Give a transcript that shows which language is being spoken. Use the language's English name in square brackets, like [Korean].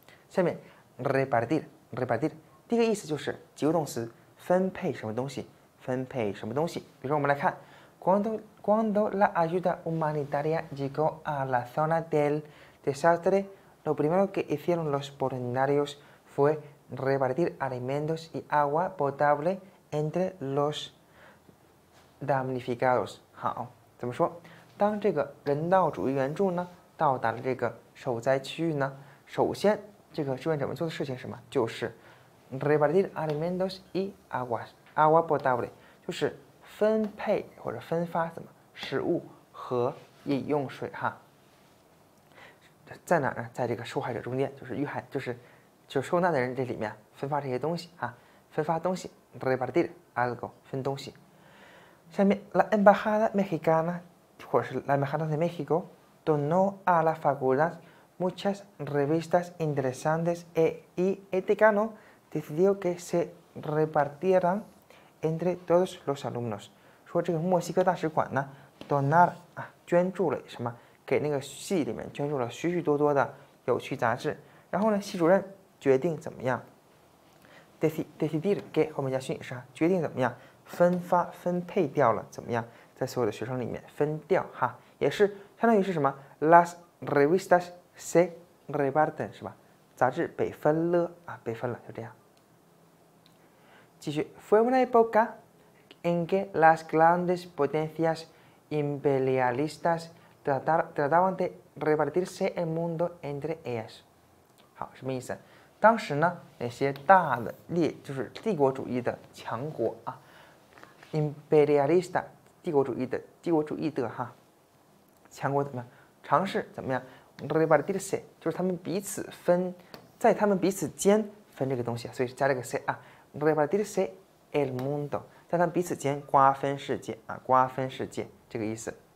[Chinese] 下面 repartir 第一个意思就是及物动词分配什么东西，分配什么东西。比如说我们来看 [Spanish] cuando la ayuda humanitaria llegó a la zona del desastre, lo primero que hicieron los voluntarios fue repartir alimentos y agua potable entre los damnificados. [Chinese] 好，怎么说，当这个人道主义援助呢到达了这个受灾区域呢，首先这个志愿者们做的事情是什么，就是 [Spanish] repartir alimentos y agua potable， [Chinese] 就是分配或者分发什么食物和饮用水哈。在哪儿呢，在这个受害者中间，就是遇害，就是就受难的人这里面分发这些东西啊，分发东西 [Spanish] repartir algo [Chinese] 分东西。下面 [Spanish] la embajada mexicana 或者是 la embajada de México donó a la facultad muchas revistas interesantes y Etecano decidió que se repartieran entre todos los alumnos。 [Chinese] 说这个墨西哥大使馆呢 donar 啊，捐助了什么，给那个系里面捐助了许许多多的有趣杂志，然后呢系主任决定怎么样 decidir 给后面加训是决定怎么样分发分配掉了怎么样，在所有的学生里面分掉哈，也是相当于是什么 [Spanish] las revistas se reparten [Chinese] 是吧，杂志被分了啊，被分了，就这样。继续 [Spanish] fue una época en que las grandes potencias imperialistas trataban de repartirse el mundo entre ellas。 [Chinese] 好，什么意思，当时呢那些大的列就是帝国主义的强国啊， imperialista 帝国主义的哈，强国怎么样尝试怎么样 repartirse， 就是他们彼此分，在他们彼此间分这个东西，所以加了个 se 啊， [Spanish] repartirse el mundo， [Chinese] 在他们彼此间瓜分世界啊，瓜分世界这个意思。